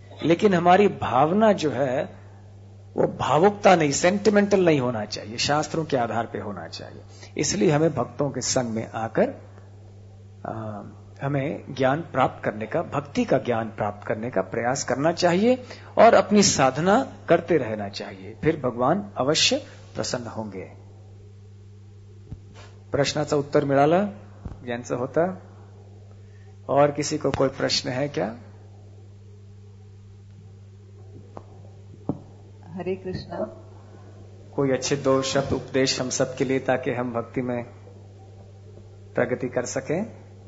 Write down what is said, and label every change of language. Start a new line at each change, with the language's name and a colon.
Hindi: लेकिन हमारी भावना जो है वो भावुकता नहीं, सेंटिमेंटल नहीं होना चाहिए, शास्त्रों के आधार पर होना चाहिए। इसलिए हमें भक्तों के संग में आकर हमें ज्ञान प्राप्त करने का, भक्ति का ज्ञान प्राप्त करने का प्रयास करना चाहिए और अपनी साधना करते रहना चाहिए, फिर भगवान अवश्य प्रसन्न होंगे।
Marathi: प्रश्नाचा उत्तर मिळाला, ज्ञानचा होता।
Hindi: और किसी को कोई प्रश्न है क्या? हरे कृष्णा। कोई अच्छे दो शब्द उपदेश हम सब के लिए, ताकि हम भक्ति में प्रगति कर सकें।